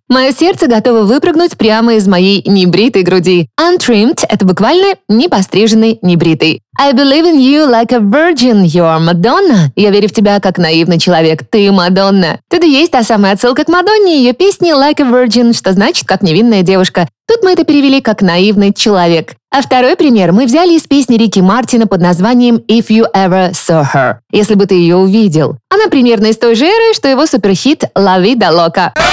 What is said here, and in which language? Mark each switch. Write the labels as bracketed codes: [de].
[ru] Мое сердце готово выпрыгнуть прямо из моей небритой груди. Untrimmed – это буквально непостриженный, небритый. [en] I believe in you like a virgin, you are Madonna. [ru] Я верю в тебя, как наивный человек. Ты Мадонна. Тут есть та самая отсылка к Мадонне и ее песне Like a Virgin, что значит «как невинная девушка». Тут мы это перевели как «наивный человек». А второй пример мы взяли из песни Рики Мартина под названием If You Ever Saw Her. Если бы ты ее увидел. Она примерно из той же эры, что его суперхит La Vida Loca.